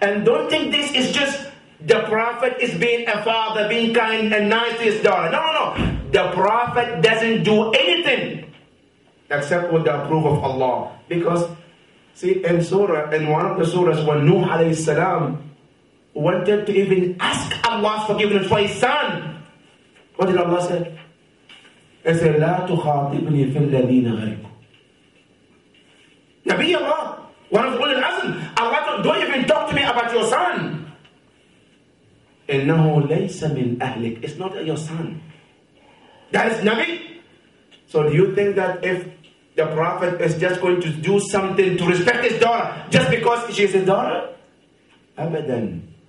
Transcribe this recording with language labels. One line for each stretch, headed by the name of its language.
English: And don't think this is just the Prophet is being a father, being kind and nice to his daughter. No, no, no. The Prophet doesn't do anything except with the approval of Allah. Because, see, in Surah, in one of the Surahs, when Nuh, alayhi wa sallam, wanted to even ask Allah's forgiveness for his son. What did Allah say? He said,
Arabic: لا تخاطبني في الذين غيروا.
English: Nabi Allah, one of Ulul Azm, Allah said, don't even talk to me about your son.
Arabic: إنه ليس من أهلك.
English: It's not your son. That is Nabi. So do you think that if the Prophet is just going to do something to respect his daughter just because she is his daughter? Abadan.